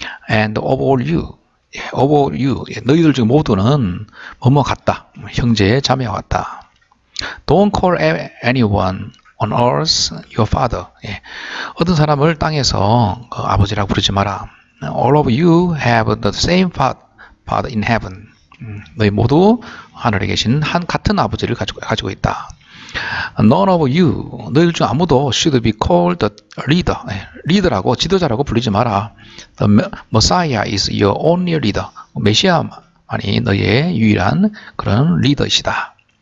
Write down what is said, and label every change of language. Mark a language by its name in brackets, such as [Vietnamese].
[English] And of all you. Of all you, [Korean] 너희들 중 모두는 뭐뭐 같다. 형제, 자매와 같다. [English] Don't call anyone on earth your father. [Korean] 어떤 사람을 땅에서 아버지라고 부르지 마라. [English] All of you have the same father in heaven. [Korean] 너희 모두 하늘에 계신 한 같은 아버지를 가지고 있다. [English] None of you, [Korean] 너희들 중 아무도 [English] should be called the leader. [Korean] 리더라고, 지도자라고 부르지 마라. [English] The Messiah is your only leader. [Korean] 메시아만이 너희의 유일한 그런 리더이시다.